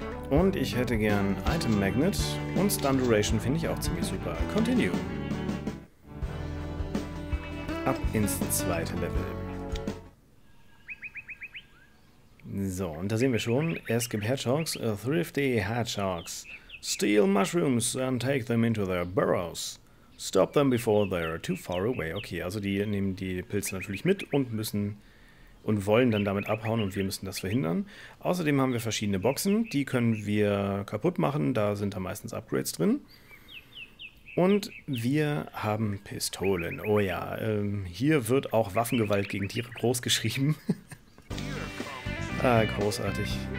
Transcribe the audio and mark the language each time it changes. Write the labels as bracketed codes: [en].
[de] Und ich hätte gern Item Magnet und Stun Duration finde ich auch ziemlich super. Continue. Ab ins zweite Level. So, und da sehen wir schon, es gibt Hedgehogs, thrifty Hedgehogs. [en] Steal mushrooms and take them into their burrows. Stop them before they are too far away. [de] Okay, also die nehmen die Pilze natürlich mit und müssen... und wollen dann damit abhauen und wir müssen das verhindern. Außerdem haben wir verschiedene Boxen, die können wir kaputt machen, da sind da meistens Upgrades drin. Und wir haben Pistolen. Oh ja, hier wird auch Waffengewalt gegen Tiere groß geschrieben. großartig.